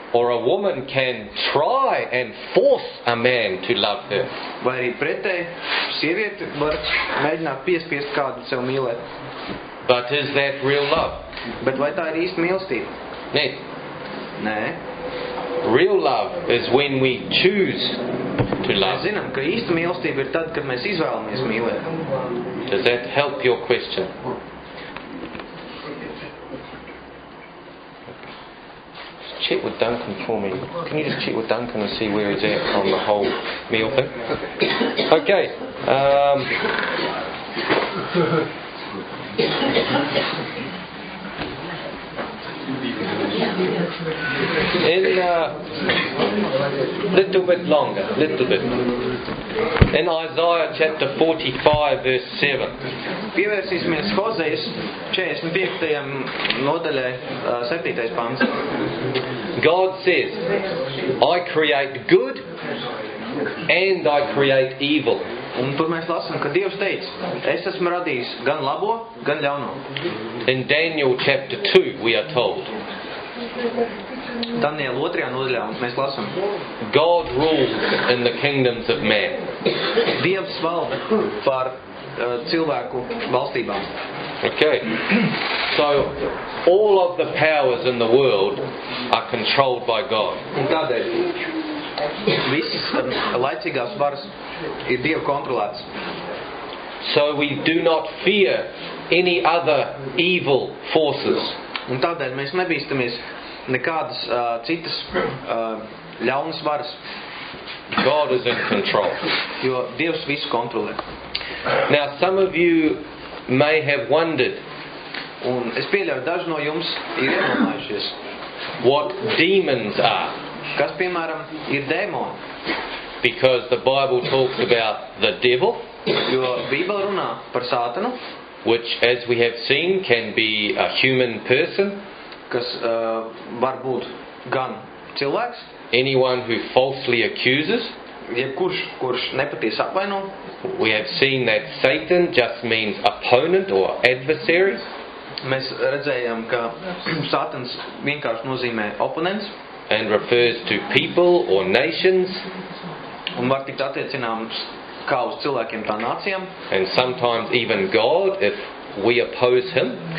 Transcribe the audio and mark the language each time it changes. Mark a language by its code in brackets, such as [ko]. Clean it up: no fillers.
[en] Or a woman can try and force a man to love her. [lv] Vai arī pretē, sievieti var mēģināt piespiest kādu sev mīlēt. [en] But is that real love? [lv] Bet vai tā ir īsta mīlestība? Nē. Nē. [en] Real love is when we choose to love. [lv] Mēs zinām, ka īsta mīlestība ir tad, kad mēs izvēlamies mīlēt. [en] Does that help your question? Just check with Duncan for me. Can you just check with Duncan and see where he's at on the whole meal thing? Okay. In a little bit longer, little bit. In Isaiah chapter 45 verse 7. [lv] Pievērsīsimies Hozejas 45. Nodaļai 7. Pants. [en] God says, I create good and I create evil. [lv] Un tur mēs lasam, ka Dievs teica, es esmu radījis gan labo, gan ļauno. [en] In Daniel chapter 2 we are told. [lv] Daniel 2. Nodaļā mēs lasam. [en] God rules in the kingdoms of man. [lv] Dievs valda par cilvēku valstībām. [en] Okay. So all of the powers in the world are controlled by God. [lv] Un tādēļ visas laicīgās varas ir Dieva kontrolēts. [en] So we do not fear any other evil forces. [lv] Un tādēļ mēs nebīstamies nekādas citas ļaunas varas. [en] God is in control. [lv] Jo Dievs visu kontrolē. [en] Now some of you may have wondered [lv] un es pieļauju, daži no jums ir iedomājušies. [en] What demons are? [lv] Kas, piemēram, ir dēmoni? [en] Because the Bible talks about the devil. [lv] Jo Bībele runā par Sātanu. [en] Which, as we have seen, can be a human person. [lv] Kas var būt gan cilvēks. [en] Anyone who falsely accuses. [lv] Jebkurš, kurš nepatiesi apvaino. [en] We have seen that Satan just means opponent or adversary. [lv] Mēs redzējām, ka Sātans vienkārši nozīmē oponents. [en] And refers to people or nations. [lv] Un var tikt attiecināms kā uz cilvēkiem tā nācijām. [en] And sometimes even God, if we oppose him.